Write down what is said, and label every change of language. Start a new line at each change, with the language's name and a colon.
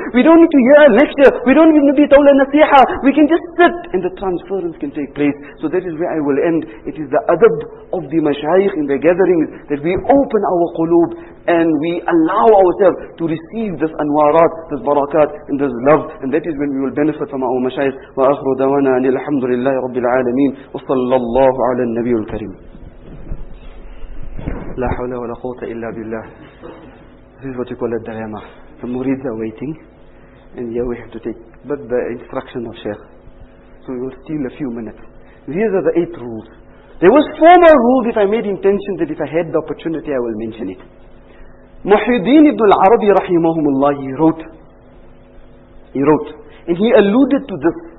English: We don't need to hear a lecture. We don't need to be told a nasiha. We can just sit and the transference can take place. So that is where I will end. It is the adab of the mashayikh in the gatherings that we open our qulub and we allow ourselves to receive this anwarat, this barakat, and this love. And that is when we will benefit from our mashayikh.
Arabic: Wa akhru dawana alhamdulillah لله رب العالمين وصلى الله على النبي الكريم لا حول ولا قوة إلا بالله.
English: This is what you call a dilemma. The murids are waiting and here we have to take but the instruction of Shaykh, so we will steal a few minutes. These are the 8 rules. There was 4 more rules if I made intention that if I had the opportunity I will mention it. Muhyiddin ibn al-Arabi rahimahumullah, he wrote and he alluded to this.